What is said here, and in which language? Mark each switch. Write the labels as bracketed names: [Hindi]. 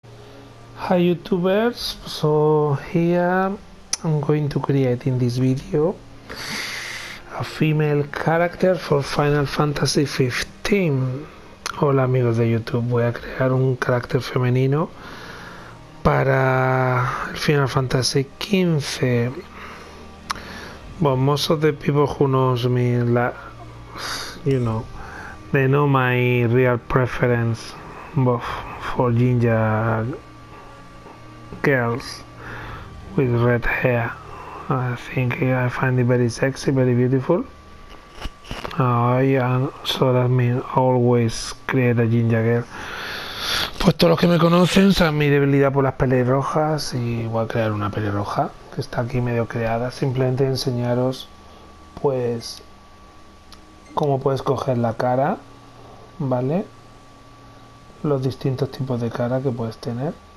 [English] Hi YouTubers, so here I'm going to create in this video a female character for Final Fantasy XV. [Spanish] Hola amigos de YouTube, voy a crear un carácter femenino para el Final Fantasy XV. [English] Bueno, most of the people who knows me, you know, they know my real preference both for ginger girls with red hair. I think I find it very sexy, very beautiful. Yeah, so that means always create a ginger girl. [Spanish] Pues todos los que me conocen saben mi debilidad por las pelirrojas y voy a crear una pelirroja que está aquí medio creada. Simplemente enseñaros, pues, cómo puedes coger la cara, ¿vale? Los distintos tipos de cara que puedes tener.